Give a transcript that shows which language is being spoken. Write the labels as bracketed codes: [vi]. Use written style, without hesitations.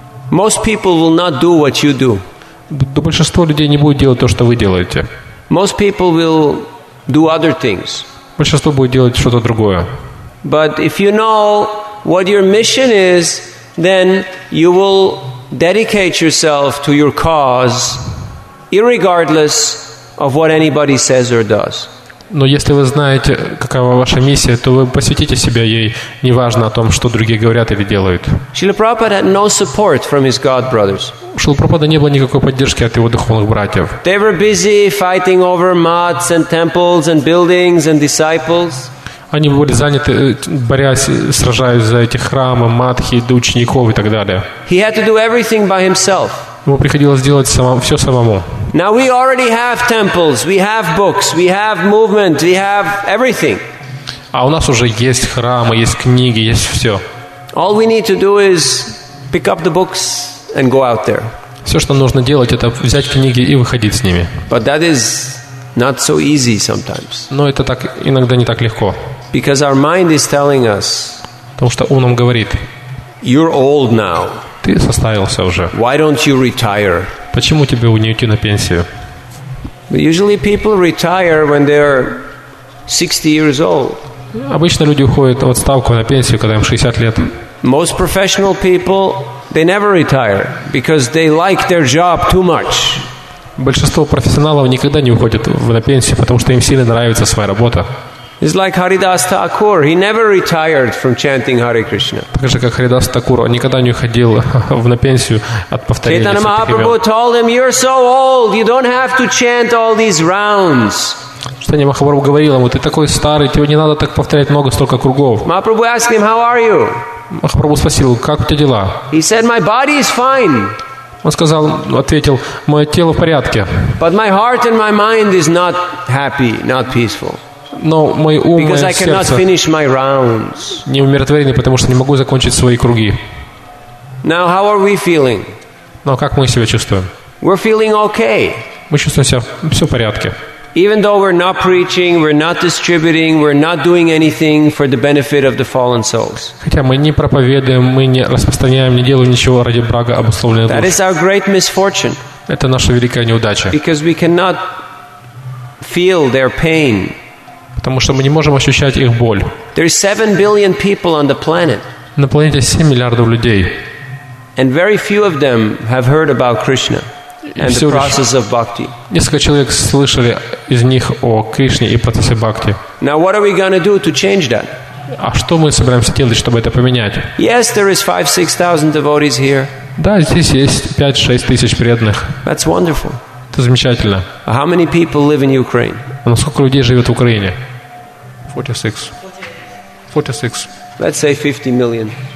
[en] most people will not do what you do. [ru] Большинство людей не будет делать то, что вы делаете. [en] Most people will do other things. [ru] Большинство будет делать что-то другое. [en] But if you know what your mission is, then you will dedicate yourself to your cause, irregardless of what anybody says or does. [ru] Но если вы знаете, какова ваша миссия, то вы посвятите себя ей, неважно о том, что другие говорят или делают. [en] Шрила Прабхупада had no support from his god brothers. [ru] У Шрилы Прабхупады не было никакой поддержки от его духовных братьев. [en] They were busy fighting over mats and temples and buildings and disciples. [ru] Они были заняты, борясь, сражаясь за эти храмы, матхи, учеников и так далее. [en] He had to do everything by himself. [ru] Ему приходилось делать все самому. [en] Now we already have temples, we have books, we have movement, we have everything. [ru] А у нас уже есть храмы, есть книги, есть все. [en] All we need to do is pick up the books and go out there. [ru] Все, что нужно делать, это взять книги и выходить с ними. [en] But that is not so easy sometimes. [ru] Но это так иногда не так легко. [en] Because our mind is telling us. [ru] Потому что ум нам говорит. [en] You're old now. [ru] Ты состарился уже. [en] Why don't you retire? [ru] Почему тебе не уйти на пенсию? [en] But usually people retire when they're 60 years old. [ru] Обычно люди уходят в отставку на пенсию, когда им 60 лет. [en] Most professional people, they never retire because they like their job too much. [ru] Большинство профессионалов никогда не уходят на пенсию, потому что им сильно нравится своя работа. [en] It's like Haridas Thakur. He never retired from chanting Hare Krishna. [ru] Так же, как Харидас Такур, он никогда не уходил на пенсию от повторения. [en] Чайтанья Махапрабху told him, "You're so old, you don't have to chant all these rounds." [ru] Чайтанья Махапрабху говорил ему, "Ты такой старый, тебе не надо так повторять много столько кругов." [en] Махапрабху asked him, "How are you?" [ru] Махапрабху спросил, "Как у тебя дела?" [en] He said, "My body is fine." [ru] Он сказал, ответил, "Мое тело в порядке." [en] But my heart and my mind is not happy, not peaceful. [ru] Но мой ум, [en] because [ru] мое [en] I cannot [ru] сердце [en] finish my rounds. [ru] Не умиротворены, потому что не могу закончить свои круги. [en] Now, how are we feeling? [ru] Но как мы себя чувствуем? [en] We're feeling okay. [ru] Мы чувствуем себя все в порядке. [en] Even though we're not preaching, we're not distributing, we're not doing anything for the benefit of the fallen souls. [ru] Хотя мы не проповедуем, мы не распространяем, не делаем ничего ради блага обусловленных душ. [en] That is our great misfortune. [ru] Это наша великая неудача. [en] Because we cannot feel their pain. [ru] Потому что мы не можем ощущать их боль. На планете 7 миллиардов людей. [en] And very few of them have heard about Krishna and the process of bhakti. [ru] Несколько человек слышали из них о Кришне и процессе бхакти. [en] Now what are we going to do to change that? [ru] А что мы собираемся делать, чтобы это поменять? [en] Yes, there is 5-6 thousand devotees here. [ru] Да, здесь есть 5-6 тысяч преданных. [en] That's wonderful. [ru] Это замечательно. [en] How many people live in Ukraine? [ru] А сколько людей живет в Украине? [en] 46. Let's say 50 million.